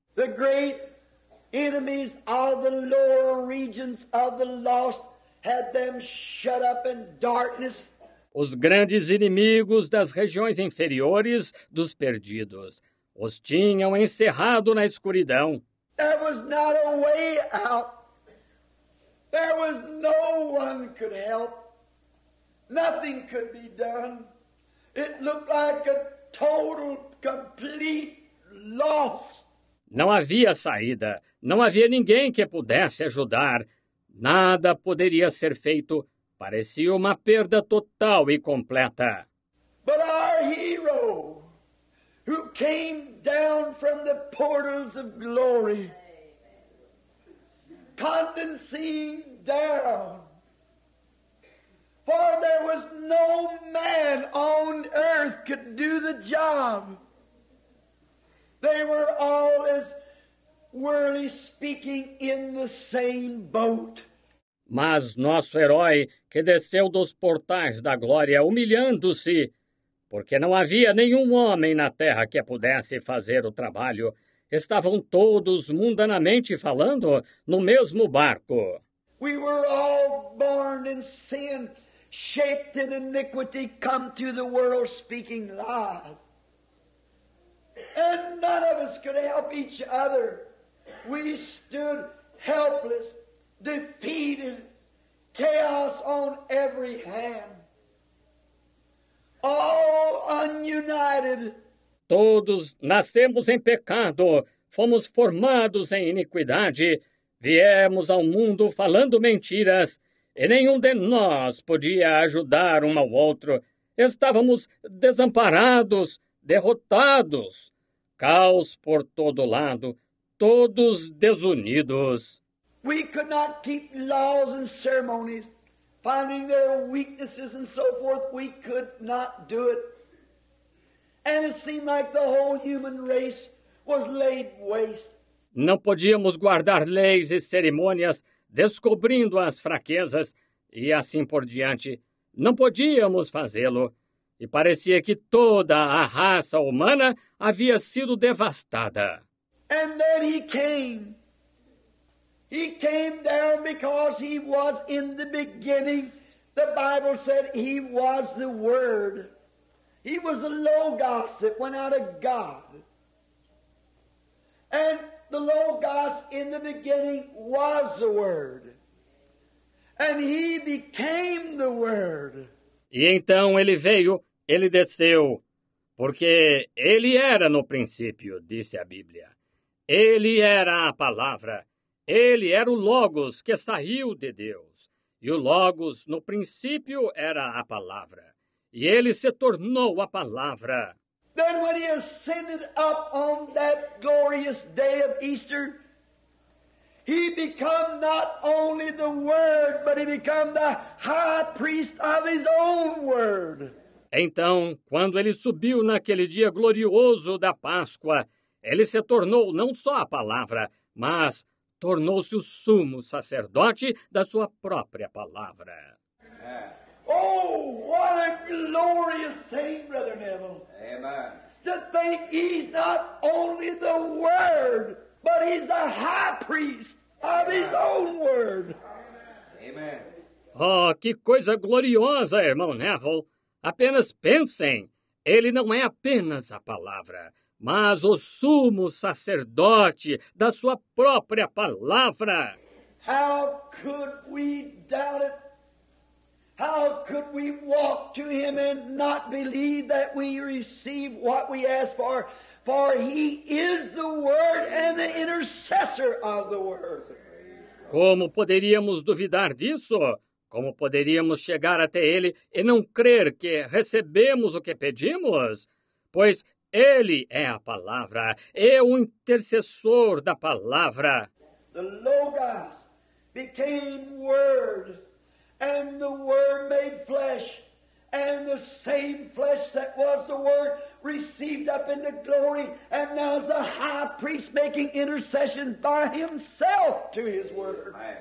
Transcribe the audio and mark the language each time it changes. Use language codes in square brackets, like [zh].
[en] The great enemies of the lower regions of the lost had them shut up in darkness. [pt] Os grandes inimigos das regiões inferiores dos perdidos os tinham encerrado na escuridão. [en] There was not a way out. There was no one could help. Nothing could be done. It looked like a total, complete loss. [pt] Não havia saída. Não havia ninguém que pudesse ajudar. Nada poderia ser feito. Parecia uma perda total e completa. [en] But our hero, who came down from the portals of glory, condescending down, for there was no man on earth could do the job. They were all, as worldly speaking, in the same boat. [pt] Mas nosso herói, que desceu dos portais da glória humilhando-se, porque não havia nenhum homem na terra que pudesse fazer o trabalho, estavam todos, mundanamente falando, no mesmo barco. [en] We were all born in sin, shaped in iniquity, come to the world speaking lies. And none of us could help each other. We stood helpless, defeated, chaos on every hand. All ununited. [pt] Todos nascemos em pecado, fomos formados em iniquidade, viemos ao mundo falando mentiras, e nenhum de nós podia ajudar um ao outro. Estávamos desamparados, derrotados. Caos por todo lado, todos desunidos. [en] We could not keep laws and ceremonies, finding their weaknesses and so forth. We could not do it. And it seemed like the whole human race was laid waste. [pt] Não podíamos guardar leis e cerimônias, descobrindo as fraquezas e assim por diante. Não podíamos fazê-lo. E parecia que toda a raça humana havia sido devastada. [en] And then he came. He came down because he was in the beginning. The Bible said he was the Word. He was the Logos that went out of God. And the Logos in the beginning was the Word. And he became the Word. [pt] E então ele veio, ele desceu. Porque ele era no princípio, disse a Bíblia. Ele era a palavra. Ele era o Logos que saiu de Deus. E o Logos, no princípio, era a palavra. E ele se tornou a palavra. [en] Then when he ascended up on that glorious day of Easter, he became not only the Word, but he became the high priest of his own Word. [pt] Então, quando ele subiu naquele dia glorioso da Páscoa, ele se tornou não só a palavra, mas tornou-se o sumo sacerdote da sua própria palavra. [en] Oh, what a glorious thing, Brother Neville. Amen. To think he's not only the Word, but he's the high priest of Amen. His own Word. Amen. [pt] Oh, que coisa gloriosa, irmão Neville. Apenas pensem, ele não é apenas a palavra, mas o sumo sacerdote da sua própria palavra. [en] How could we doubt it? How could we walk to him and not believe that we receive what we ask for? For he is the Word and the intercessor of the Word. [pt] Como poderíamos duvidar disso? Como poderíamos chegar até ele e não crer que recebemos o que pedimos? Pois Ele é a palavra, é o intercessor da palavra. [en] The Logos became word, and the word made flesh, and the same flesh that was the word received up into glory, and now is the high priest making intercession by himself to his word.